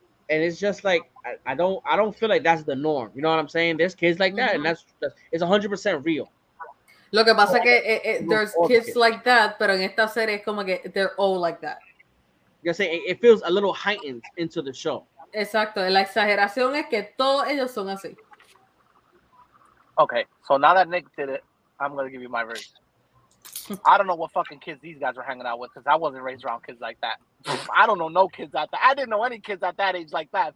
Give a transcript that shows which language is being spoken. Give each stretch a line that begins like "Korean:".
English: And it's just like, I don't feel like that's the norm. You know what I'm saying? There's kids like that, mm-hmm. and that's it's 100% real.
Spanish: Lo que pasa que there's kids like that, pero en esta serie es como que they're all like that.
English: You say it feels a little heightened into the show.
Spanish: Exacto. La exageración es que todos ellos son así.
English: Okay, so now that Nick did it, I'm gonna give you my version. I don't know what fucking kids these guys were hanging out with because I wasn't raised around kids like that. I don't know no kids out there. I didn't know any kids at that age like that.